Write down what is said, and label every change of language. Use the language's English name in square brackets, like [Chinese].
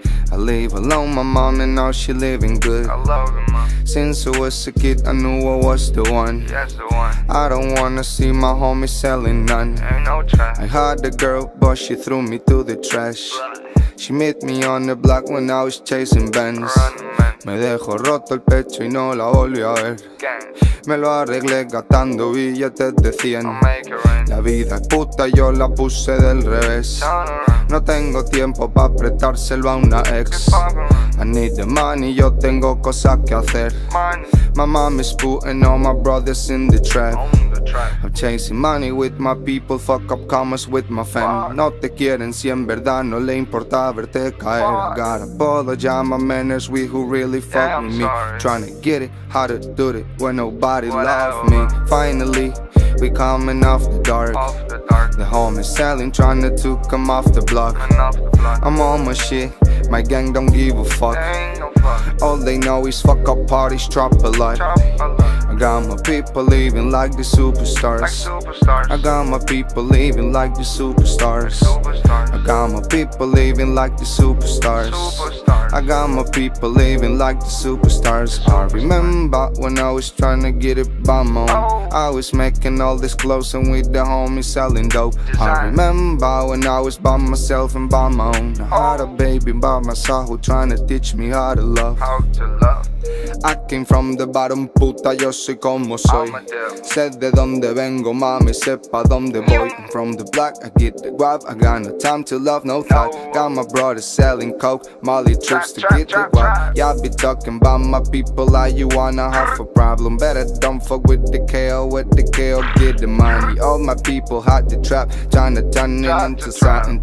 [English] I live alone, my mom, and now she living good. I love you, mom. Since I was a kid, I knew I was the one. Yes, the one. I don't wanna see my homies selling none. Ain't no trash. I had a girl, but she threw me to the trash. She met me on the block when I was chasing bands. [Spanish] Me dejo roto el pecho y no la volví a ver. Me lo arreglé gastando billetes de 100. La vida es puta, yo la puse del revés. No tengo tiempo pa' prestárselo a una ex. [English] I need the money, [Spanish] yo tengo cosas que hacer. [English] My mom is putting all my brothers in the trap. I'm chasing money with my people, fuck up commas with my fam. [Spanish] No te quieren si en verdad no le importa verte caer. [English] I got a bottle, ya my manners, we who really fuck with me. Trying to get it, how to do it, when nobody loves me. Finally, we coming off the dark. The homies selling, trying to come off the block. I'm on my shit, My gang don't give a fuck. All they know is fuck up parties, drop a lot. I got my people living like the superstars. I got my people living like the superstars. I got my people living like the superstars. I got my people living like the superstars. I remember when I was trying to get it by my own. I was making all this clothes and with the homies selling dope. I remember when I was by myself and by my own. I had a baby by my side who trying to teach me how to love. I came from the bottom, puta, [Spanish] yo soy como soy. Sé de donde vengo, mami, sé pa' donde voy. [English] I'm from the block, I get the guap. I got no time to love, no thought. Got my brother selling coke, Molly trips to get the guap. Y'all be talking about my people like you wanna have a problem. Better don't fuck with the KO, with the KO, get the money. All my people hot the trap, tryna turn it into something.